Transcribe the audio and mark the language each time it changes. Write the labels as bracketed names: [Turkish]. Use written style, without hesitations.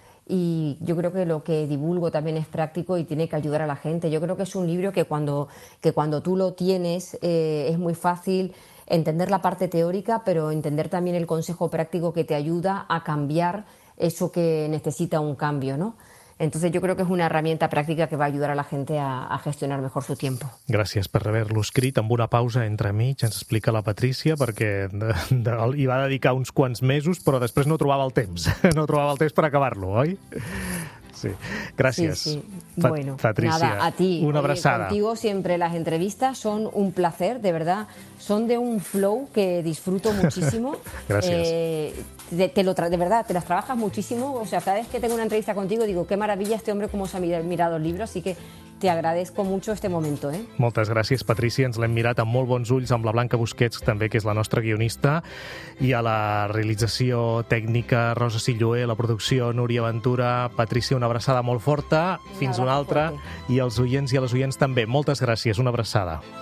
[Spanish] y yo creo que lo que divulgo también es práctico y tiene que ayudar a la gente. Yo creo que es un libro que cuando tú lo tienes es muy fácil entender la parte teórica, pero entender también el consejo práctico que te ayuda a cambiar eso que necesita un cambio, ¿no? Entonces yo creo que es una herramienta [Catalan] pràctica que va ajudar a la gent a gestionar millor el seu temps. Gràcies per haver-lo escrit. Amb una pausa entre mig ens explica la Patrícia, perquè hi va dedicar uns quants mesos, però després no trobava el temps. No trobava el temps per acabar-lo, oi? Sí. Gràcies. [Spanish] Sí, sí. Bueno, Patrícia, nada, a ti. [Catalan] Una abraçada. [Spanish] Oye, contigo siempre las entrevistas son un placer, de verdad. Son de un flow que disfruto muchísimo. [Catalan] Gràcies. [Spanish] De verdad, te las trabajas muchísimo. O sea, cada vez que tengo una entrevista contigo digo, qué maravilla este hombre, cómo se ha mirado el libro. Así que te agradezco mucho este momento. [Catalan] Moltes gràcies, Patrícia. Ens l'hem mirat amb molt bons ulls, amb la Blanca Busquets, també, que és la nostra guionista, i a la realització tècnica Rosa Silloé, la producció Núria Ventura. Patrícia, una abraçada molt forta. Fins una altra. I als oients i a les oients també. Moltes gràcies. Una abraçada.